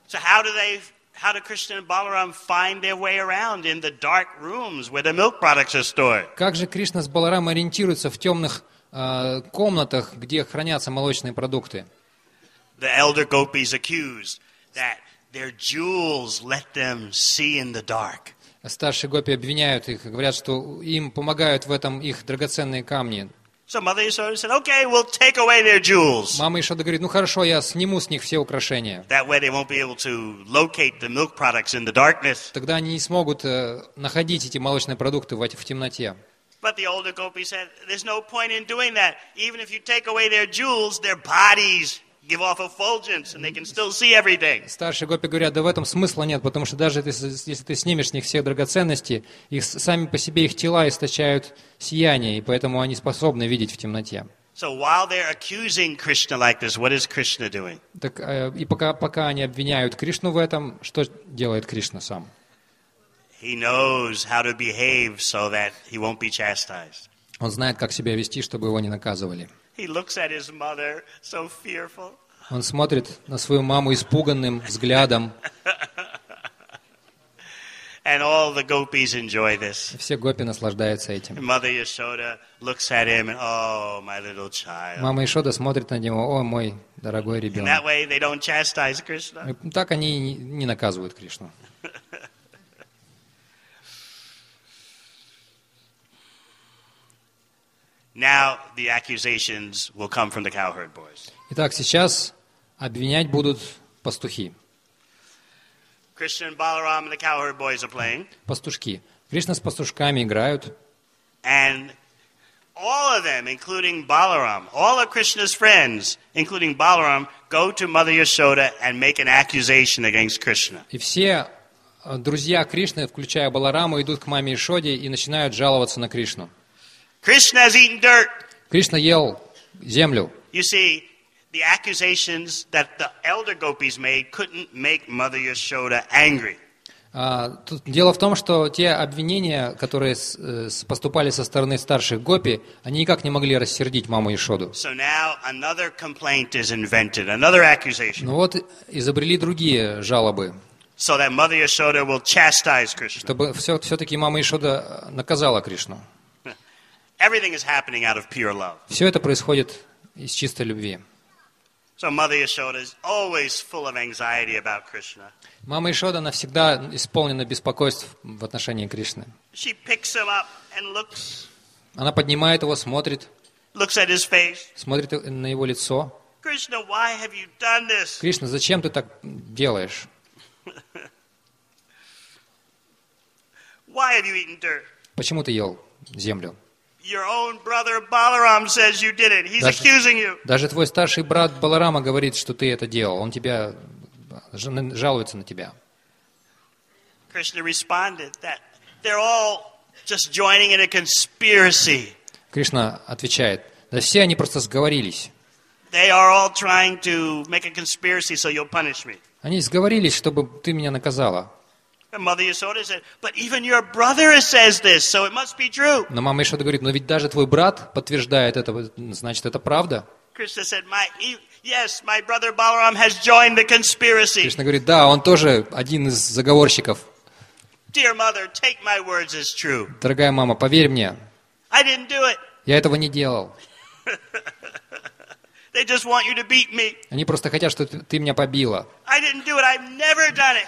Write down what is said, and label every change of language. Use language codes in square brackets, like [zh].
[en] So how do Krishna and Balaram find their way around in the dark rooms where the milk products are stored? [ru] Как же Кришна с Баларамой ориентируются в темных комнатах, где хранятся молочные продукты? [en] The elder gopis accused that their jewels let them see in the dark. [ru] Старшие гопи обвиняют их, говорят, что им помогают в этом их драгоценные камни. [en] So Mother Yashoda said, "Okay, we'll take away their jewels." [ru] Мама Яшода говорит: "Ну хорошо, я сниму с них все украшения." [en] That way they won't be able to locate the milk products in the darkness. [ru] Тогда они не смогут находить эти молочные продукты в темноте. [en] But the older gopi said, "There's no point in doing that. Even if you take away their jewels, their bodies give off effulgence and they can still see everything." [ru] Старшие гопи говорят: "Да в этом смысла нет, потому что даже если ты снимешь с них все драгоценности, их сами по себе их тела источают сияние, и поэтому они способны видеть в темноте." [en] So while they're accusing Krishna like this, what is Krishna doing? [ru] Так и пока они обвиняют Кришну в этом, что делает Кришна сам? [en] He knows how to behave so that he won't be chastised. [ru] Он знает, как себя вести, чтобы его не наказывали. [en] He looks at his mother so fearful. [ru] Он смотрит на свою маму испуганным взглядом. [en] And all the gopis enjoy this. [ru] Все гопи наслаждаются этим. [en] Mother Yashoda looks at him and, "Oh, my little child." [ru] Мама Яшода смотрит на него: "О, мой дорогой ребенок." [en] That way they don't chastise Krishna. [ru] Так они не наказывают Кришну. [en] Now the accusations will come from the cowherd boys. [ru] Итак, сейчас обвинять будут пастухи. [en] Krishna and Balaram and the cowherd boys are playing. [ru] Пастушки. Кришна с пастушками играют. [en] And all of them, including Balaram, all of Krishna's friends, including Balaram, go to Mother Yashoda and make an accusation against Krishna. [ru] И все друзья Кришны, включая Балараму, идут к маме Яшоде и начинают жаловаться на Кришну. [en] Krishna has eaten dirt. [ru] Кришна ел землю. [en] You see, the accusations that the elder gopis made couldn't make Mother Yashoda angry. [ru] Тут дело в том, что те обвинения, которые поступали со стороны старших гопи, они никак не могли рассердить маму Яшоду. [en] So now another complaint is invented, another accusation. [ru] Ну вот изобрели другие жалобы. [en] So that Mother Yashoda will chastise Krishna. [ru] Чтобы все-таки мама Яшода наказала Кришну. [en] Everything is happening out of pure love. [ru] Все это происходит из чистой любви. [en] So Mother Yashoda is always full of anxiety about Krishna. [ru] Мама Яшода навсегда исполнена беспокойств в отношении Кришны. [en] She picks him up and looks. [ru] Она поднимает его, смотрит. [en] Looks at his face. [ru] Смотрит на его лицо. [en] Krishna, why have you done this? [ru] Кришна, зачем ты так делаешь? [en] Why have you eaten dirt? [ru] Почему ты ел землю? [en] Your own brother Balaram says you did it. He's accusing you. [ru] Даже твой старший брат Баларама говорит, что ты это делал. Он тебя жалуется на тебя. [en] Krishna responded that they're all just joining in a conspiracy. [ru] Кришна отвечает: "Да все они просто сговорились." [en] They are all trying to make a conspiracy so you'll punish me. [ru] Они сговорились, чтобы ты меня наказала. [en] And Mother Yashoda said, "But even your brother says this, so it must be true." [ru] Но мама Яшода говорит: "Но ведь даже твой брат подтверждает это, значит, это правда." [en] Krishna said, "My brother Balaram has joined the conspiracy." [ru] Кришна говорит: "Да, он тоже один из заговорщиков." [en] Dear mother, take my words as true. [ru] Дорогая мама, поверь мне. [en] I didn't do it. [ru] Я этого не делал. [en] They just want you to beat me. [ru] Они просто хотят, чтобы ты меня побила. [en] I didn't do it. I've never done it.